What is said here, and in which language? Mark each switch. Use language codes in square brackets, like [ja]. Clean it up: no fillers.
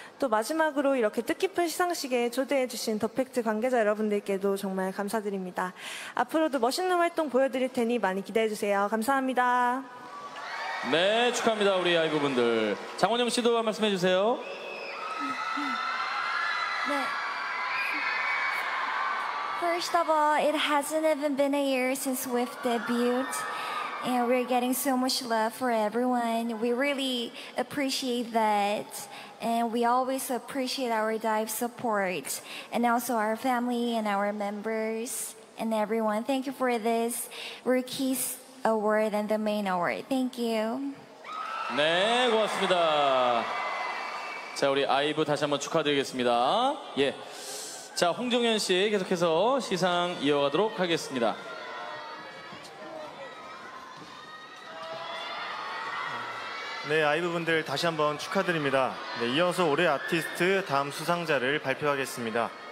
[ko] 또 마지막으로 이렇게 뜻깊은 시상식에 초대해주신 더 팩트 관계자 여러분들께도 정말 감사드립니다. 앞으로도 멋있는 활동 보여드릴 테니 많이 기대해주세요. 감사합니다. 네, 축하합니다. 우리 아이브분들. 장원영 씨도 한 말씀해주세요. 네. [en] First of all, it hasn't even been a year since we've debuted, and we're getting so much love for everyone. We really appreciate that, and we always appreciate our dive support, and also our family and our members and everyone. Thank you for this Rookies Award and the Main Award. Thank you. [ko] 네, 고맙습니다. 자, 우리 아이브 다시 한번 축하드리겠습니다. 예. 자, 홍종현 씨 계속해서 시상 이어가도록 하겠습니다. 네, 아이브 분들 다시 한번 축하드립니다. 네, 이어서 올해 아티스트 다음 수상자를 발표하겠습니다.